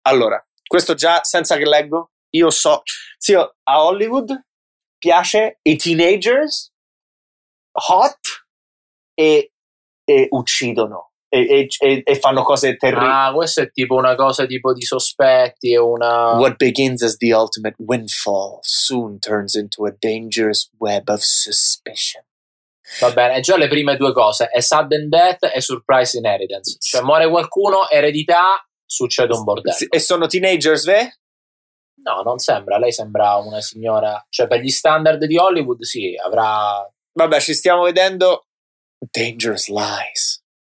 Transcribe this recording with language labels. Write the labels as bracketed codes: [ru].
[it] Allora, questo già senza che leggo, io so. Zio, a Hollywood piace i teenagers hot e uccidono. E fanno cose terribili. Ah, questo è tipo una cosa tipo di sospetti e una... [en] What begins as the ultimate windfall soon turns into a dangerous web of suspicion. [it] Va bene, già le prime due cose. È [en] sudden death [it] e [en] surprise inheritance. [it] Cioè muore qualcuno, eredità, succede un bordello. E sono teenagers, ve? No, non sembra. Lei sembra una signora... Cioè, per gli standard di Hollywood, sì, avrà... Vabbè, ci stiamo vedendo... Dangerous Lies.